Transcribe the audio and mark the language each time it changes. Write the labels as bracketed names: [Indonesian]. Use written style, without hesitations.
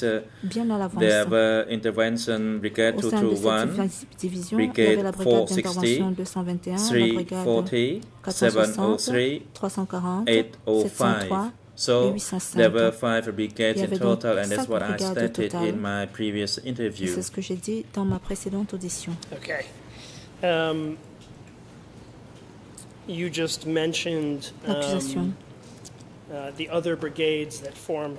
[English] there were intervention brigade 221, brigade 460, 340, 703, 805. So there were five brigades in total, and that's what I stated in my previous interview. [French] C'est ce que j'ai dit dans ma précédente audition. [English] Okay. You just mentioned the other brigades that formed